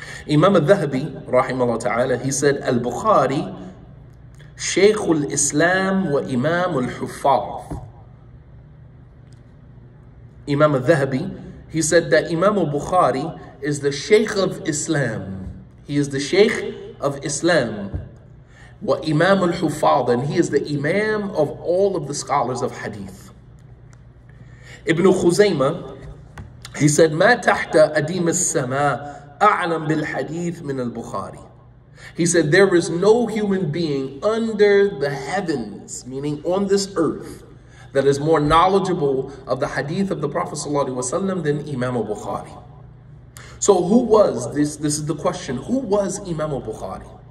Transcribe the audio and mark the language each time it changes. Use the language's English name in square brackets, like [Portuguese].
[English] Imam al-Dhahabi, rahimahullah ta'ala, he said, al-Bukhari, Shaykh al-Islam wa Imam al-Huffaz. Imam al-Dhahabi, He said that Imam al-Bukhari is the Sheikh of Islam. He is the Sheikh of Islam. Wa Imam al-Hufad, and he is the Imam of all of the scholars of Hadith. Ibn Khuzaymah, he said, [Arabic] ما تحت أديم السماء أعلم بالحديث من البخاري. [English] He said, there is no human being under the heavens, meaning on this earth, that is more knowledgeable of the hadith of the Prophet ﷺ than Imam al-Bukhari. So who was this? This is the question. Who was Imam al-Bukhari?